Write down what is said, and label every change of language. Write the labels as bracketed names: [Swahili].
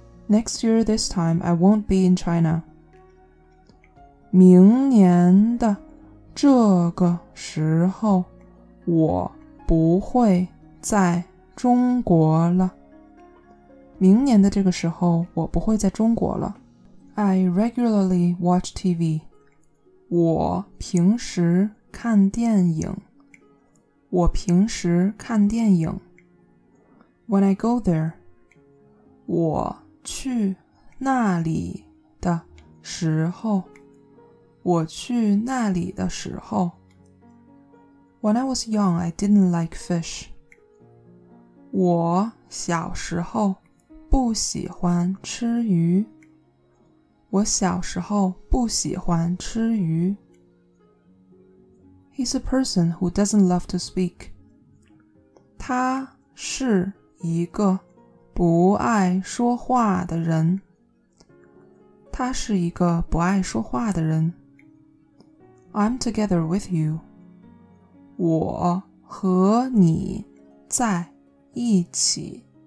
[English] Next year this time, I won't be in China. [Chinese] 明年的这个时候我不会在中国了。明年的这个时候我不会在中国了。 [English] I regularly watch TV. [Chinese] 我平时看电影。我平时看电影。 [English] When I go there, [Chinese] 我去那里的时候。我去那里的时候。 [English] When I was young, I didn't like fish. [Chinese] 我小时候不喜欢吃鱼。我小时候不喜欢吃鱼。 [English] He's a person who doesn't love to speak. [Chinese] 他是一个不爱说话的人。他是一个不爱说话的人。 [English] I'm together with you. [Chinese] 我和你在一起。